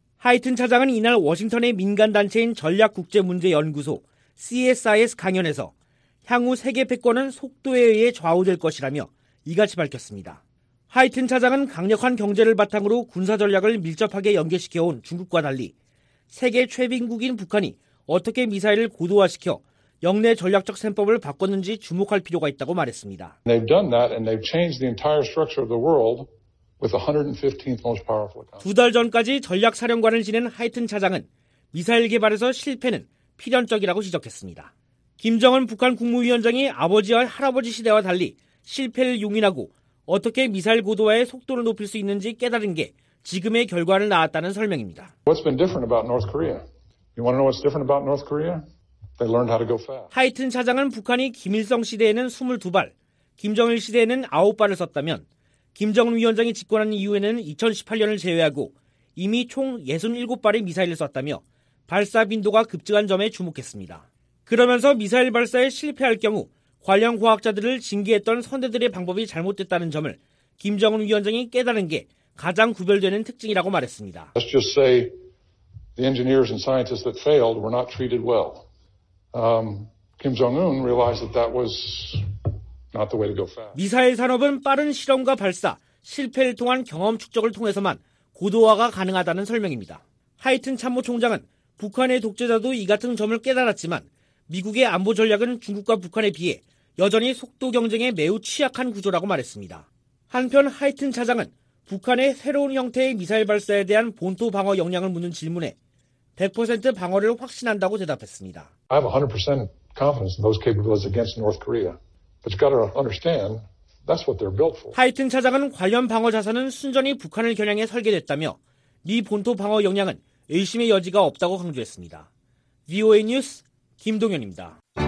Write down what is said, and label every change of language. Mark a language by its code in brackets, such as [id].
[ko] 하이튼 차장은 이날 워싱턴의 민간단체인 전략국제문제연구소 CSIS 강연에서 향후 세계 패권은 속도에 의해 좌우될 것이라며 이같이 밝혔습니다. 하이튼 차장은 강력한 경제를 바탕으로 군사 전략을 밀접하게 연계시켜온 중국과 달리 세계 최빈국인 북한이 어떻게 미사일을 고도화시켜 역내 전략적 셈법을 바꿨는지 주목할 필요가 있다고 말했습니다. [en] They've done that and they've changed the entire structure of the world with the 115th most powerful. [ko] 두 달 전까지 전략사령관을 지낸 하이튼 차장은 미사일 개발에서 실패는 필연적이라고 지적했습니다. 김정은 북한 국무위원장이 아버지와 할아버지 시대와 달리 실패를 용인하고 어떻게 미사일 고도화의 속도를 높일 수 있는지 깨달은 게 지금의 결과를 낳았다는 설명입니다. [en] What's been different about North Korea? You want to know what's different about North Korea? They learned how to go fast. [ko] 하이튼 차장은 북한이 김일성 시대에는 22발, 김정일 시대에는 9발을 썼다면 김정은 위원장이 집권한 이후에는 2018년을 제외하고 이미 총 67발의 미사일을 썼다며 발사 빈도가 급증한 점에 주목했습니다. 그러면서 미사일 발사에 실패할 경우 관련 과학자들을 징계했던 선대들의 방법이 잘못됐다는 점을 김정은 위원장이 깨달은 게 가장 구별되는 특징이라고 말했습니다. [en] Let's just say the engineers and scientists that failed were not treated well. Kim Jong-un realized that that was not the way to go fast. [ko] 미사일 산업은 빠른 실험과 발사, 실패를 통한 경험 축적을 통해서만 고도화가 가능하다는 설명입니다. 하이튼 참모총장은 북한의 독재자도 이 같은 점을 깨달았지만 미국의 안보 전략은 중국과 북한에 비해 여전히 속도 경쟁에 매우 취약한 구조라고 말했습니다. 한편 하이튼 차장은 북한의 새로운 형태의 미사일 발사에 대한 본토 방어 역량을 묻는 질문에 100% 방어를 확신한다고 대답했습니다. [en] I have 100% confidence in those capabilities against North Korea. But you got to understand that's what they're built for. [ko] 하이튼 차장은 관련 방어 자산은 순전히 북한을 겨냥해 설계됐다며 미 본토 방어 역량은 의심의 여지가 없다고 강조했습니다. VOA 뉴스 김동현입니다.